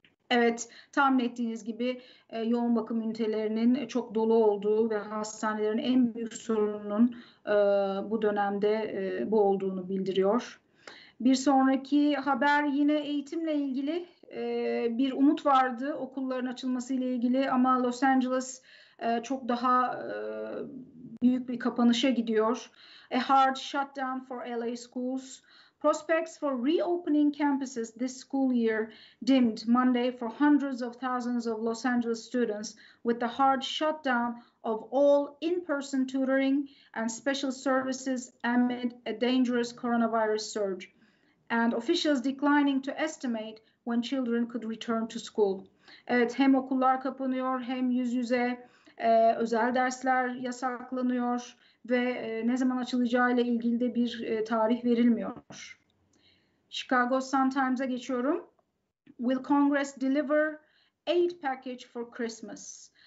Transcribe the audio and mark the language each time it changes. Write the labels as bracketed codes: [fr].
[tr] Evet, tahmin ettiğiniz gibi yoğun bakım ünitelerinin çok dolu olduğu ve hastanelerin en büyük sorununun bu dönemde bu olduğunu bildiriyor. Bir sonraki haber yine eğitimle ilgili. Bir umut vardı okulların açılmasıyla ilgili ama Los Angeles çok daha büyük bir kapanışa gidiyor. [en] A hard shutdown for LA schools. Prospects for reopening campuses this school year dimmed Monday for hundreds of thousands of Los Angeles students with the hard shutdown of all in-person tutoring and special services amid a dangerous coronavirus surge, and officials declining to estimate when children could return to school. [tr] Evet, hem okullar kapanıyor, hem yüz yüze özel dersler yasaklanıyor ve ne zaman açılacağıyla ilgili de bir tarih verilmiyor. Chicago Sun-Times'a geçiyorum. [en] Will Congress deliver aid package for Christmas?